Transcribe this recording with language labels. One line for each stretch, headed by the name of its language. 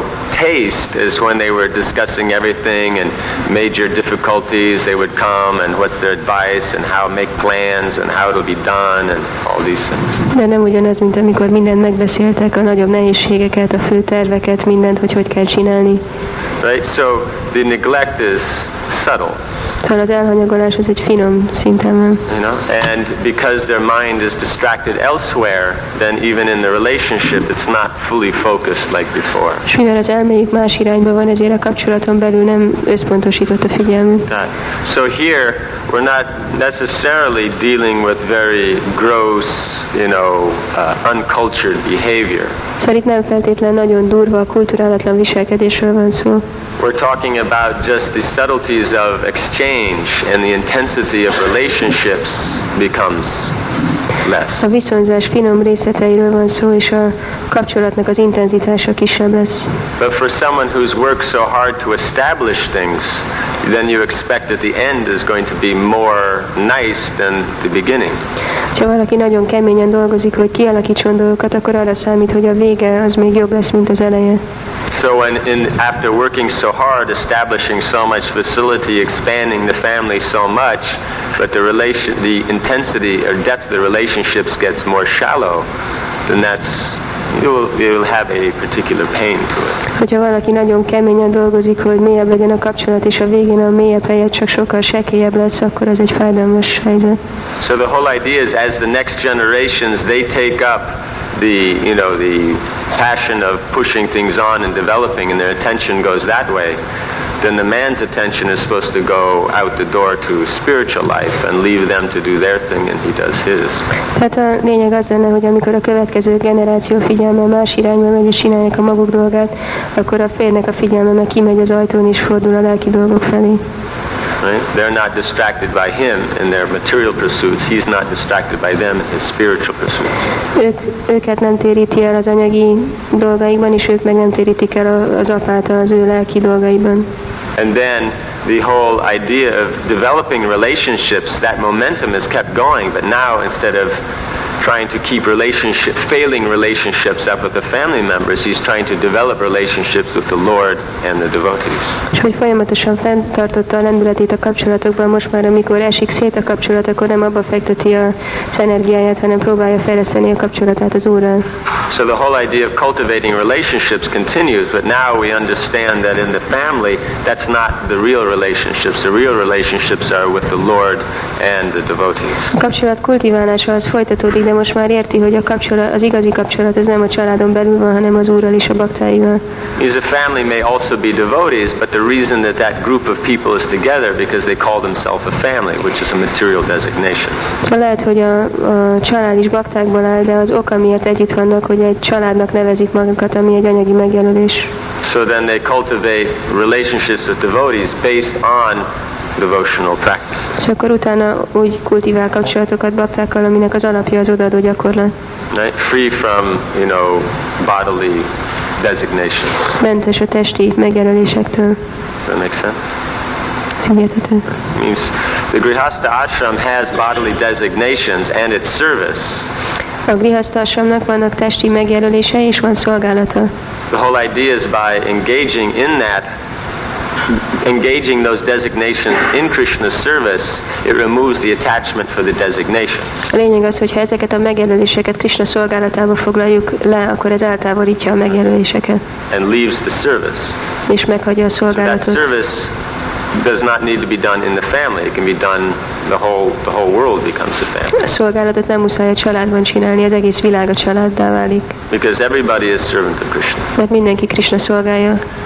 English: taste is when they were discussing everything and major difficulties, they would come and what's their advice and how make plans and how it'll be done and all these things.
Hungarian: De nem ugyanaz, mint amikor mindent megbeszéltek, a nagyobb nehézségeket, a fő terveket, mindent, hogy hogy kell csinálni.
English: Right, so the neglect is subtle.
Hungarian: Szóval az elhanyagolás az egy finom szinten van.
English: And because their mind is distracted elsewhere, then even in the relationship, it's not fully focused like before.
Hungarian: És mivel az elméjük más irányba van, ezért a kapcsolaton belül nem összpontosított a figyelmet.
English: Right. So here, we're not necessarily dealing with very gross, uncultured behavior.
Hungarian: Szóval itt nem feltétlen nagyon durva, kulturálatlan viselkedésről van szó.
English: We're talking about just the subtleties of exchange and the intensity of relationships becomes less.
Hungarian: A viszonzás finom részleteiről van szó, és a kapcsolatnak az intenzitása kisebb lesz.
English: But for someone who's worked so hard to establish things, then you expect that the end is going to be more nice than the beginning.
Hungarian: Ha valaki nagyon keményen dolgozik, hogy kialakítson dolgokat, akkor arra számít, hogy a vége az még jobb lesz, mint az eleje.
English: So when after working so hard, establishing so much facility, expanding the family so much, but the relation, the intensity or depth of the relationships gets more shallow, then that's you will have a particular pain to it.
Hungarian: Hogyha valaki nagyon keményen dolgozik, hogy mélyebb legyen a kapcsolat, és a végén a mélyebb helyet csak sokkal sekélyebb lesz, akkor ez egy fájdalmas helyzet.
English: So the whole idea is as the next generations, they take up the passion of pushing things on and developing, and their attention goes that way, then the man's attention is supposed to go out the door to spiritual life and leave them to do their thing, and he does his.
Hungarian: Tehát a lényeg az lenne, hogy amikor a következő generáció figyelme más irányba megy, és csinálják a maguk dolgát, akkor a férnek a figyelme meg kimegy az ajtón, és fordul a lelki dolgok felé.
English: Right? They're not distracted by him in their material pursuits. He's not distracted by them in his spiritual pursuits.
Hungarian: Őket nem téríti el az anyagi dolgaikban, és ők meg nem térítik el az apát az ő lelki dolgaiban.
English: And then the whole idea of developing relationships, that momentum is kept going, but now instead of trying to keep relationship, failing relationships up with the family members, he's trying to develop relationships with the Lord and the devotees.
Hungarian: És hogy folyamatosan fenntartotta a lendületét a kapcsolatokban, most már amikor esik szét a kapcsolat, akkor nem abba fekteti az energiáját, hanem próbálja fejleszteni a kapcsolatát az Úrral.
English: So the whole idea of cultivating relationships continues, but now we understand that in the family, that's not the real relationships. The real relationships are with the Lord and the devotees.
Hungarian: A kapcsolat kultiválása az folytatódik, de most már érti, hogy a kapcsolat, az igazi kapcsolat ez nem a családon belül van, hanem az Úrral és a baktáival.
English: His family may also be devotees, but the reason that that group of people is together because they call themselves a family, which is a material designation.
Hungarian: Szóval lehet, hogy a család is baktákból áll, de az oka miért együtt vannak, hogy egy családnak nevezik magukat, ami egy anyagi megjelölés.
English: So then they cultivate relationships with devotees based on devotional practices.
Hungarian: És akkor utána úgy kultivál kapcsolatokat baktákkal, aminek az alapja az odaadó gyakorlat.
English: Right? Free from, bodily designations.
Hungarian: Mentes a testi megjelölésektől.
English: Does that make sense? Szigetető. Means the grihastha ashram has bodily designations and its service.
Hungarian: A grihastha ashramnak vannak testi megjelölése és van szolgálata.
English: The whole idea is by engaging in that, engaging those designations in Krishna's service, it removes the attachment for the designations.
Hungarian: A lényeg az, hogy ha ezeket a megjelöléseket Krishna szolgálatába foglaljuk le, akkor ez eltávolítja a megjelöléseket.
English: And leaves the service.
Hungarian: És meghagyja a szolgálatot.
English: So that service does not need to be done in the family. It can be done the whole world becomes a family.
Hungarian: A szolgálatot nem muszáj a családban csinálni, az egész világ a családdá válik.
English: Because everybody is servant of Krishna.
Hungarian: Mert mindenki Krishna szolgálja.